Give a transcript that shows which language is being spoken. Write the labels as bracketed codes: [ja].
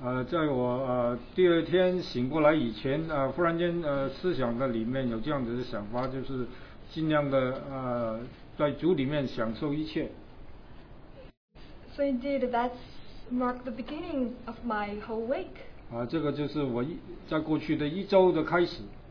[zh] 在我第二天醒过来以前, 忽然间, 思想的里面有这样子的想法, 就是尽量的, 在主里面享受一切。 [en] So indeed, that's marked the beginning of my whole week. [zh] 啊，这个就是我一在过去的一周的开始。